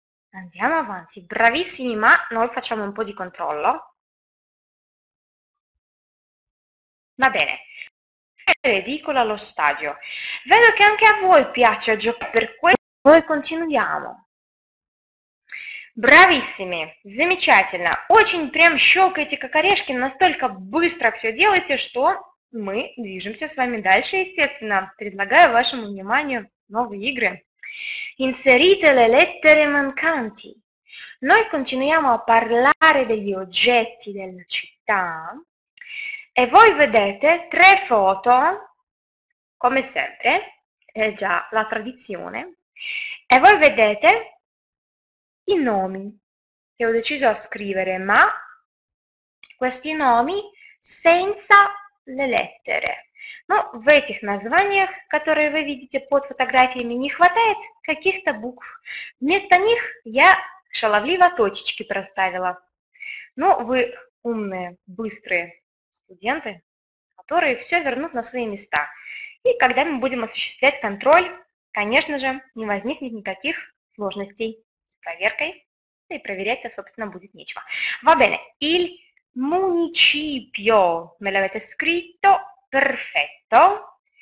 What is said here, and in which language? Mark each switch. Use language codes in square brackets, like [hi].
[it] Andiamo avanti, bravissimi, ma noi facciamo un po' di controllo. Va bene, edicola lo stadio. Vedo che anche a voi piace giocare, per questo noi continuiamo. Bravissimi, [ru] замечательно. Очень прям щелкаете как орешки, настолько быстро все делаете, что мы движемся с вами дальше, естественно. Предлагаю вашему вниманию новые игры. Inserite le lettere mancanti. Noi continuiamo a parlare degli oggetti della città e voi vedete tre foto, come sempre, è già la tradizione, e voi vedete i nomi che ho deciso a scrivere, ma questi nomi senza le lettere. Ну, в этих названиях, которые вы видите под фотографиями, не хватает каких-то букв. Вместо них я шаловливо точечки проставила. Ну, вы умные, быстрые студенты, которые все вернут на свои места. И когда мы будем осуществлять контроль, конечно же, не возникнет никаких сложностей с проверкой. [it] E proverete, sopra, non budite niente. Va bene, il municipio, me l'avete scritto, perfetto.